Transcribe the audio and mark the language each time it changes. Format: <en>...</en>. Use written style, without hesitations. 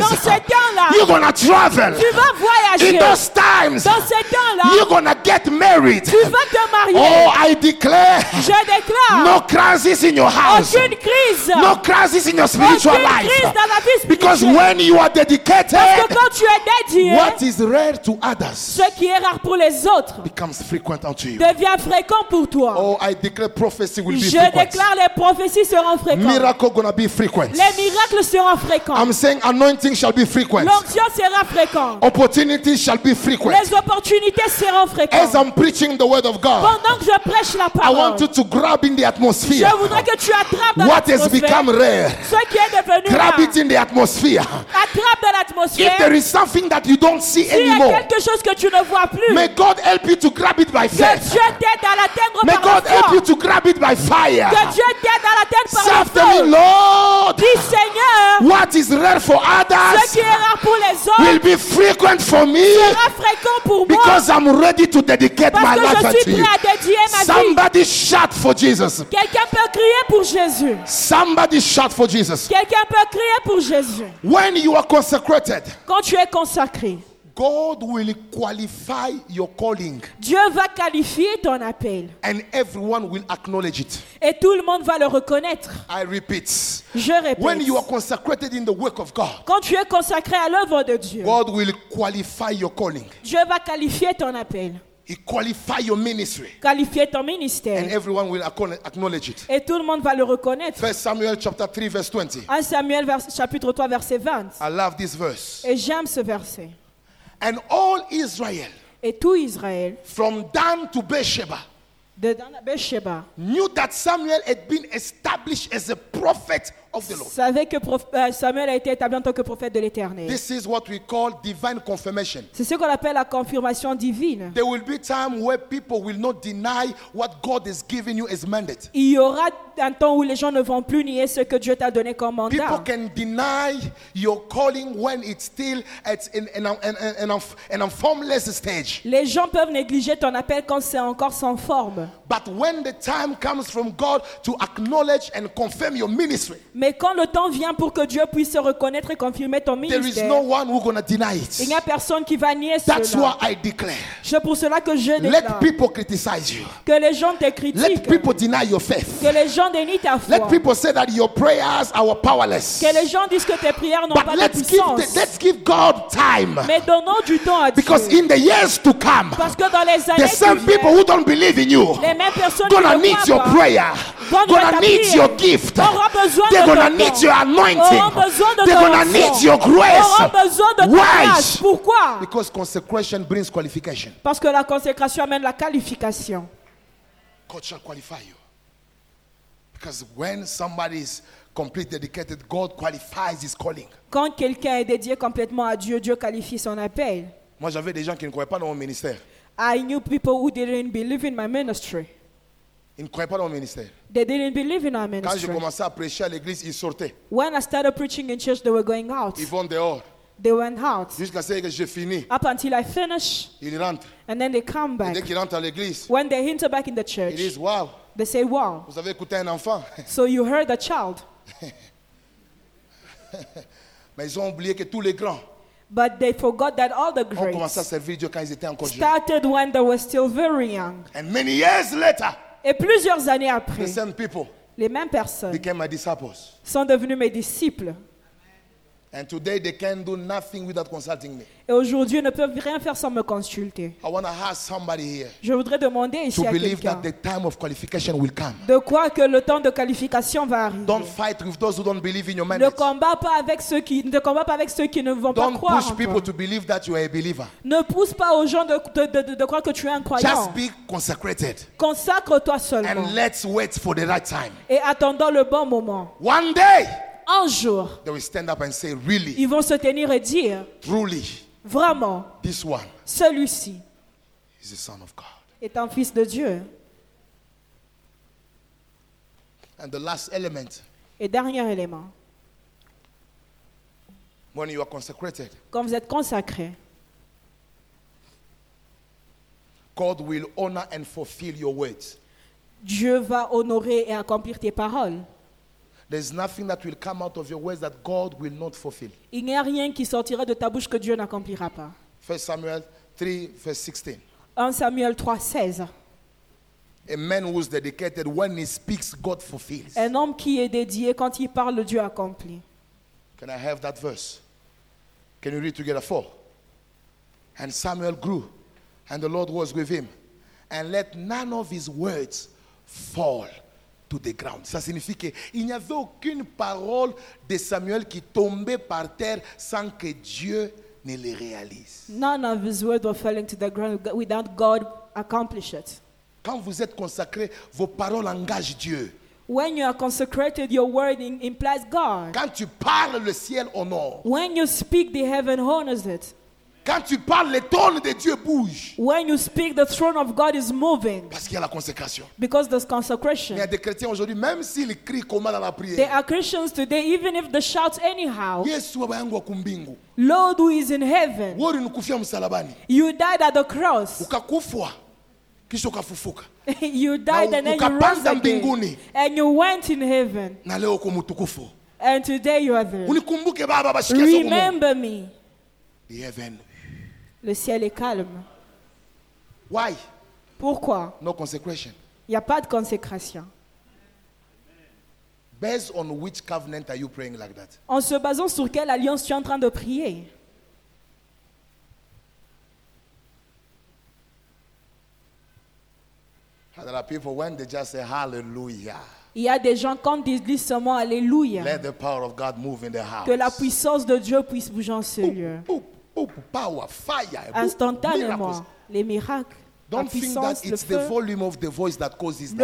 <fr>Dans ces temps-là.</fr> <en>You're gonna travel.</en> <fr>Tu vas voyager.</fr> <en>In those times.</en> <fr>Dans ces temps-là.</fr> <en>You're gonna get married.</en> <fr>Tu vas te marier.</fr> <en>Oh, I declare.</en> <fr>Je déclare.</fr> <en>No crisis in your house.</en> <fr>Aucune crise.</fr> <en>No crisis in your spiritual</en> <fr>aucune</fr> <en>life.</en> <fr>Crise dans la vie</fr> <en>because when you are dedicated.</en> <fr>Parce que quand tu es dédié.</fr> <en>What is rare to others.</en> <fr>Ce qui est rare pour les autres.</fr> <en>Becomes frequent unto you.</en> <fr>Devient fréquent pour toi.</fr> <en>Oh, I declare prophecy will be</en> <fr>Je Je déclare les prophéties seront fréquentes.</fr> <en>Miracle gonna be frequent.</en> <fr>Les miracles seront fréquents.</fr> <en>I'm saying anointing shall be frequent.</en> <fr>L'onction sera fréquente.</fr> <en>Opportunity shall be frequent.</en> <fr>Les opportunités seront fréquentes.</fr> <en>As I'm preaching the word of God.</en> <fr>Pendant que je prêche la parole.</fr> <en>I want you to grab in the atmosphere.</en> <fr>Je voudrais que tu attrapes dans</fr> <en>what</en> <fr>l'atmosphère.</fr> <en>What has become rare.</en> <fr>Ce qui est devenu</fr> <en>grab</en> <fr>rare.</fr> <en>It in the atmosphere.</en> <fr>Attrape dans l'atmosphère.</fr> <en>If there is something that you don't see</en> <fr>si</fr> <en>anymore.</en> <fr>S'il y a quelque chose que tu ne vois plus.</fr> <en>May God help you to grab it by faith.</en> <fr>Que Dieu t'aide à l'atteindre par</fr> <en>May God</en> <fr>la</fr> <en>help you to grab it by fire.</en> <fr>Que Dieu t'aide à l'atteindre par</fr> <en>Save</en> <fr>le feu.</fr> <en>Me, Lord.</en> <fr>Dis Seigneur.</fr> <en>What is rare for others.</en> <fr>Ce qui est rare pour les autres.</fr> <en>Will be frequent for me.</en> <fr>Sera fréquent pour moi.</fr> <en>Because I'm ready to dedicate</en> <fr>Parce</fr> <en>my life</en> <fr>je suis</fr> <en>unto you.</en> <fr>Prêt à dédier ma</fr> <en>Somebody</en> <fr>vie.</fr> <en>Shout for Jesus.</en> <fr>Quelqu'un peut crier pour Jésus.</fr> <en>Somebody shout for Jesus.</en> <fr>Quelqu'un peut crier pour Jésus.</fr> <en>When you are consecrated.</en> <fr>Quand tu es consacré.</fr> <en>God will qualify your calling.</en> <fr>Dieu va qualifier ton appel.</fr> <en>And everyone will acknowledge it.</en> <fr>Et tout le monde va le reconnaître.</fr> <en>I repeat.</en> <fr>Je répète.</fr> <en>When you are consecrated in the work of God.</en> <fr>Quand tu es consacré à l'œuvre de Dieu.</fr> <en>God will qualify your calling.</en> <fr>Dieu va qualifier ton appel.</fr> <en>He qualify your ministry.</en> <fr>Qualifier ton ministère.</fr> <en>And everyone will acknowledge it.</en> <fr>Et tout le monde va le reconnaître.</fr> <en>1 Samuel chapter 3 verse 20.</en> <fr>1 Samuel chapitre 3 verset 20.</fr> <en>I love this verse.</en> <fr>Et j'aime ce verset.</fr> <en>And all Israel.</en> <fr>Et tout Israël.</fr> <en>From Dan to Beersheba.</en> <fr>De Dan à Beersheba.</fr> <en>Knew that Samuel had been established as a prophet of the Lord.</en> <fr>Savait que Samuel a été établi en tant que prophète de l'Éternel.</fr> <en>This is what we call divine confirmation.</en> <fr>C'est ce qu'on appelle la confirmation divine.</fr> <en>There will be time where people will not deny what God has given you as mandate.</en> <fr>Il y aura un temps où les gens ne vont plus nier ce que Dieu t'a donné comme mandat.</fr> <en>People can deny your calling when it's still at an formless stage.</en> <fr>Les gens peuvent négliger ton appel quand c'est encore sans forme.</fr> <en>But when the time comes from God to acknowledge and confirm your ministry.</en> <fr>Mais quand le temps vient pour que Dieu puisse se reconnaître et confirmer ton ministère.</fr> <en>There is no one who's gonna deny it.</en> <fr>Il n'y a personne qui va nier</fr> <en>That's</en> <fr>cela.</fr> <en>That's why I declare.</en> <fr>C'est pour cela que je déclare.</fr> <en>Let people criticize you.</en> <fr>Que les gens te critiquent.</fr> <en>Let people deny your faith.</en> <fr>Que les gens dénient ta foi.</fr> <en>Let people say that your prayers are powerless.</en> <fr>Que les gens disent que tes prières n'ont</fr> <en>But</en> <fr>pas</fr> <en>let's</en> <fr>de</fr> <en>give</en> <fr>puissance.</fr> <en>The, let's give God time.</en> <fr>Mais donnons du temps à Dieu.</fr> <en>Because in the years to come.</en> <fr>Parce que dans les années qui viennent.</fr> <en>The same people who don't believe in you.</en> <fr>Les mêmes personnes</fr> <en>gonna need your prayer. Gonna need your gift. They're gonna need your anointing. They're gonna need your grace. Why? Because consecration brings qualification.</en> <fr>Parce que la consécration amène la qualification.</fr> <en>God shall qualify you. Because when somebody is completely dedicated, God qualifies his calling.</en> <fr>Quand quelqu'un est dédié complètement à Dieu, Dieu qualifie son appel. Moi, j'avais des gens qui ne croyaient pas dans mon ministère.</fr> <en>I knew people who didn't believe in my ministry.</en> <fr>Ils ne croyaient pas dans mon ministère.</fr> <en>They didn't believe in our ministry.</en> <fr>Quand j'ai commencé à prêcher à l'église, ils sortaient.</fr> <en>When I started preaching in church, they were going out.</en> <fr>Ils vont dehors.</fr> <en>They went out.</en> <fr>Jusqu'à ce que je finis.</fr> <en>Up until I finish.</en> <fr>Ils rentrent.</fr> <en>And then they come back.</en> <fr>Et dès qu'ils rentrent à l'église.</fr> <en>When they enter back in the church.</en> <fr>Ils disent, wow.</fr> <en>They say, wow.</en> <fr>Vous avez écouté un enfant.</fr> <en>So you heard a child.</en> <fr>Mais ils ont oublié que tous les grands.</fr> <en>But they forgot that all the greats started when they were still very young. And many years later,</en> <fr>et plusieurs années après,</fr> <en>the same people</en> <fr>les mêmes personnes</fr> <en>became my disciples.</en> <fr>Sont devenus mes disciples.</fr> <en>And today they can do nothing without consulting me.</en> <fr>Et aujourd'hui, ils ne peuvent rien faire sans me consulter.</fr> <en>I want to ask somebody here.</en> <fr>Je voudrais demander ici</fr> <en>to believe that the time of qualification will come.</en> <fr>De quoi que le temps de qualification va arriver.</fr> <en>Don't fight with those who don't believe in your mandate.</en> <fr>Ne combat pas avec ceux qui ne vont</fr> <en>don't</en> <fr>pas croire.</fr> <en>Don't push people to believe that you are a believer.</en> <fr>Ne pousse pas aux gens de croire que tu es un croyant.</fr> <en>Just be consecrated.</en> <fr>Consacre-toi seulement.</fr> <en>And let's wait for the right time.</en> <fr>Et attendons le bon moment.</fr> <en>One day.</en> <fr>Un jour,</fr> <en>they will stand up and say, really,</en> <fr>ils vont se tenir et dire,</fr> <en>truly,</en> <fr>vraiment,</fr> <en>this one,</en> <fr>celui-ci</fr> <en>is the son of God.</en> <fr>Est un fils de Dieu.</fr> <en>And the last element,</en> <fr>et dernier élément,</fr> <en>when you are consecrated,</en> <fr>quand vous êtes consacré,</fr> <en>God will honor and fulfill your words.</en> <fr>Dieu va honorer et accomplir tes paroles.</fr> <en>There's nothing that will come out of your words that God will not fulfill.</en> <fr>Il n'y a rien qui sortira de ta bouche que Dieu n'accomplira pas.</fr> <en>1 Samuel 3, verse 16.</en> <fr>1 Samuel 3, 16.</fr> <en>A man who is dedicated, when he speaks, God fulfills.</en> <fr>Un homme qui est dédié, quand il parle, Dieu accomplit.</fr> <en>Can I have that verse? Can you read together? 4. And Samuel grew, and the Lord was with him, and let none of his words fall. To the ground.</en> <fr>Ça signifie qu'il n'y avait aucune parole de Samuel qui tombait par terre sans que Dieu ne les réalise.</fr> <en>None of his words were falling to the ground without God accomplish it.</en> <fr>Quand vous êtes consacré, vos paroles engagent Dieu.</fr> <en>When you are consecrated, your word implies God.</en> <fr>Quand tu parles, le ciel honore.</fr> <en>When you speak, the heaven honors it.</en> <fr>Quand tu parles, le trône de Dieu bouge.</fr> <en>When you speak, the throne of God is moving.</en> <fr>Parce qu'il y a la consécration.</fr> <en>Because there's consecration.</en> <fr>Il y a des chrétiens aujourd'hui, même s'ils crient comment dans la prière.</fr> <en>There are Christians today, even if they shout anyhow.</en> <sw>Yesu baba yangu wa kumbingu.</sw> <en>Lord who is in heaven.</en> <sw>Wewe ulikufia msalabani.</sw> <en>You died at the cross.</en> <sw>Ukakufa. Kisha ukafufuka.</sw> <en>You died and then you rose</en> <sw>mbinguni.</sw> <en>And you went in heaven.</en> <sw>Na leo uko mtukufu.</sw> <en>And today you are there.</en> <sw>Unikumbuke baba bashikeso</sw> <en>kumu. Remember me. The heaven.</en> <fr>Le ciel est calme.</fr> <en>Why?</en> <fr>Pourquoi?</fr> <en>No consecration.</en> <fr>Il y a pas de consécration.</fr> <en>Based on which covenant are you praying like that?</en> <fr>En se basant sur quelle alliance tu es en train de prier?</fr> <en>There are people when they just say hallelujah.</en> <fr>Il y a des gens quand ils disent seulement alléluia.</fr> <en>Let the power of God move in the house.</en> <fr>Que la puissance de Dieu puisse bouger en ce lieu.</fr> <en>Power, fire,</en> <fr>instantanément, les miracles,</fr> <en>don't</en> <fr>la puissance,</fr> <en>think that it's the volume of the voice that causes that.</en>